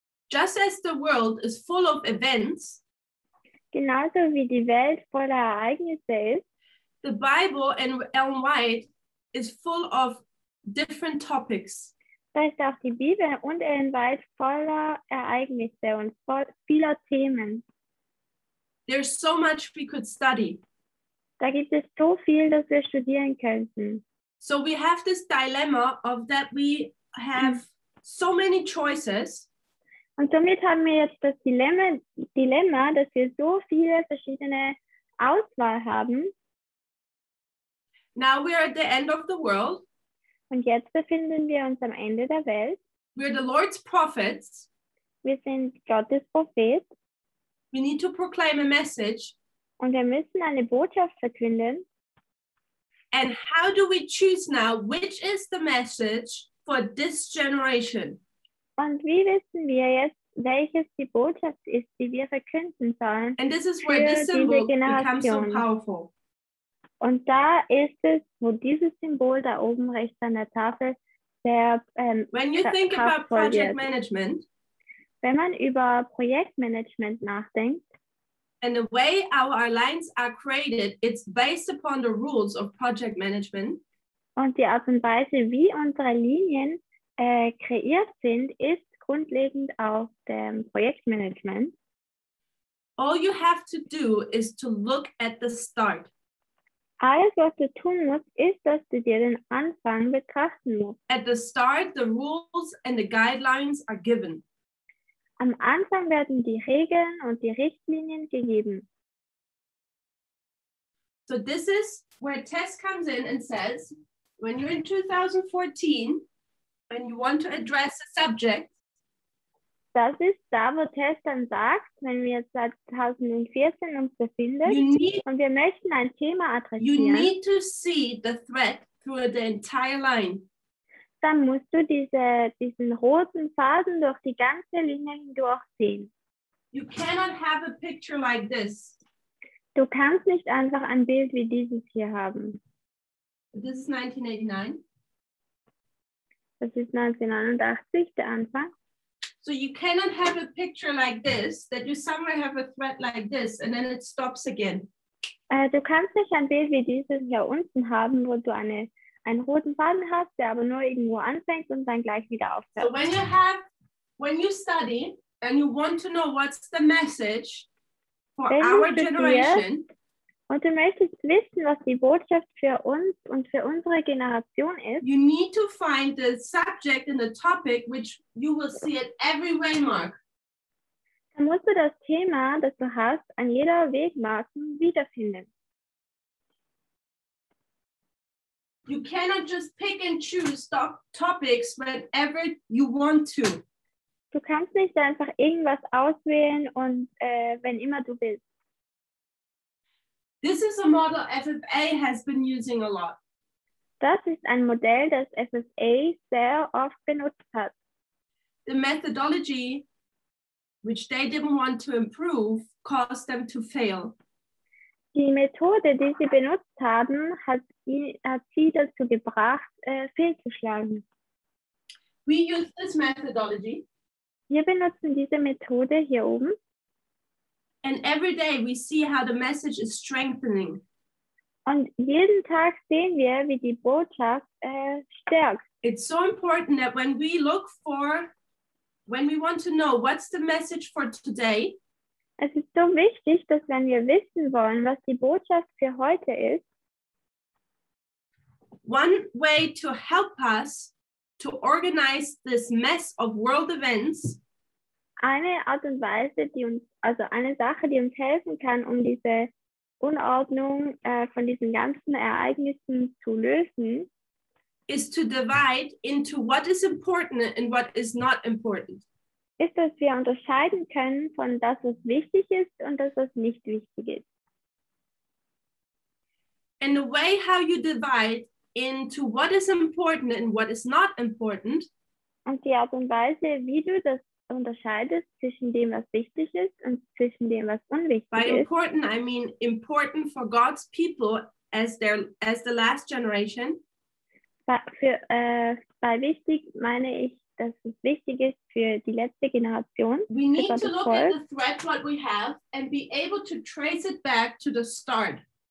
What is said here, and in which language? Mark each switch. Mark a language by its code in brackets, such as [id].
[en] Just as the world is full of events, [de] genauso wie die Welt voller Ereignisse ist. [en] The Bible and Ellen White is full of different topics. [de] Da ist auch die Bibel und Ellen White voller Ereignisse und vieler Themen. [en] There's so much we could study. [de] Da gibt es so viel, das wir studieren könnten. [en] So we have this dilemma of that we have so many choices. [de] Und somit haben wir jetzt das Dilemma, dass wir so viele verschiedene Auswahl haben. [en] Now we are at the end of the world. [de] Und jetzt befinden wir uns am Ende der Welt. [en] We are the Lord's prophets. [de] Wir sind Gottes Prophet. [en] We need to proclaim a message. [de] Und wir müssen eine Botschaft verkünden. [en] And how do we choose now which is the message for this generation? [de] Und wie wissen wir jetzt, welches die Botschaft ist, die wir verkünden sollen? [en] And this is where this symbol becomes so powerful. [de] Und da ist es, wo dieses Symbol da oben rechts an der Tafel sehr [en] When you think about project management, [de] wenn man über Projektmanagement nachdenkt, [en] and the way our lines are created, it's based upon the rules of project management. [de] Und die Art und Weise, wie unsere Linien kreiert sind, ist grundlegend auf dem Projektmanagement. [en] All you have to do is to look at the start. [de] Alles, was du tun musst, ist, dass du dir den Anfang betrachten musst. [en] At the start, the rules and the guidelines are given. [de] Am Anfang werden die Regeln und die Richtlinien gegeben. [en] So this is where Tess comes in and says, when you're in 2014, when you want to address a subject. [de] Das ist da, wo Tess dann sagt, wenn wir uns seit 2014 uns befinden und wir möchten ein Thema adressieren. [en] You need to see the threat through the entire line. [de] Dann musst du diesen roten Faden durch die ganze Linie hindurch sehen. [en] You cannot have a picture like this. [de] Du kannst nicht einfach ein Bild wie dieses hier haben. [en] This is 1989. [de] Das ist 1989, der Anfang. [en] So you cannot have a picture like this, that you somewhere have a threat like this, and then it stops again. [de] Du kannst nicht ein Bild wie dieses hier unten haben, wo du einen roten Faden hast, der aber nur irgendwo anfängt und dann gleich wieder aufhört. [en] So when you study and you want to know what's the message for [de] wenn [en] our generation. [de] Und du möchtest wissen, was die Botschaft für uns und für unsere Generation ist. [en] You need to find the subject and the topic which you will see at every waymark. [de] Dann musst du das Thema, das du hast, an jeder Wegmarke wiederfinden. [en] You cannot just pick and choose topics whenever you want to. [de] Du kannst nicht einfach irgendwas auswählen und wenn immer du willst. [en] This is a model FFA has been using a lot. [de] Das ist ein Modell, das FFA sehr oft benutzt hat. [en] The methodology, which they didn't want to improve, caused them to fail. [de] Die Methode, die sie benutzt haben, hat sie dazu gebracht, fehlzuschlagen. [en] We use this methodology. [de] Wir benutzen diese Methode hier oben. [en] And every day we see how the message is strengthening. [de] Und jeden Tag sehen wir, wie die Botschaft stärkt. [en] It's so important that when we want to know what's the message for today. [de] Es ist so wichtig, dass wenn wir wissen wollen, was die Botschaft für heute ist. [en] One way to help us to organize this mess of world events. [de] Eine Art und Weise, die uns, also eine Sache, die uns helfen kann, um diese Unordnung von diesen ganzen Ereignissen zu lösen, ist [en] to divide into what is important and what is not important. [de] Ist, dass wir unterscheiden können von das, was wichtig ist und das, was nicht wichtig ist. [en] And the way how you divide into what is important and what is not important. [de] Und die Art und Weise, wie du das unterscheidest zwischen dem, was wichtig ist und zwischen dem, was unwichtig ist. [en] By important, I mean important for God's people as the last generation. [de] Bei wichtig meine ich, dass es wichtig ist für die letzte Generation. [en] We need to look at the threat what we have and be able to trace it back to the start.